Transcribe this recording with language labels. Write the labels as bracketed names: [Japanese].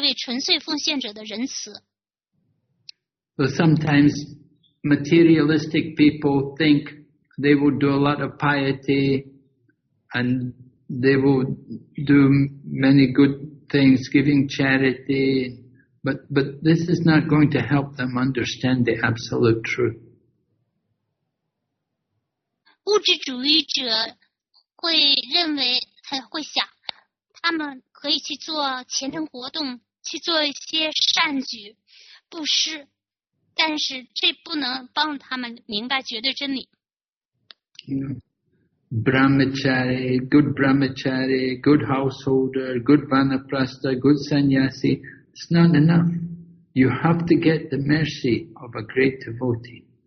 [Chinese] 你必须要寻找一位纯粹的奉献者，获得这位纯粹奉献者的仁慈。 [English] So sometimes materialistic people think they will do a lot of piety and they will do many good things, giving charity, but this is not going to help them understand the absolute truth. [Chinese] 物质主义者会认为，他会想，他们可以去做虔诚活动，去做一些善举、布施。但是这不能帮他们明白绝对真理。 [English] Brahmachari, good Brahmachari, good householder, good Vanaprastha, good Sannyasi, it's not enough. You have to get the mercy of a great devotee.